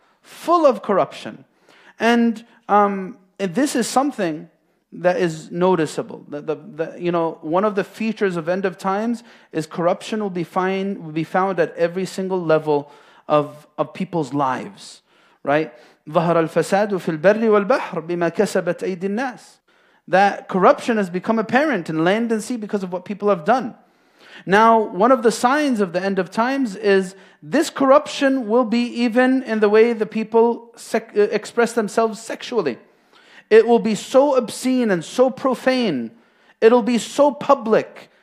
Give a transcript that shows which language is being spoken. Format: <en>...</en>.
<en>Full of corruption. And this is something that is noticeable. One of the features of end of times is corruption will be found at every single level of people's lives, right?</en> <ar>ظهر الفساد في البر والبحر بما كسبت أيدي الناس.</ar> <en>That corruption has become apparent in land and sea because of what people have done. Now, one of the signs of the end of times is this corruption will be even in the way the people express themselves sexually. It will be so obscene and so profane. It'll be so public.</en>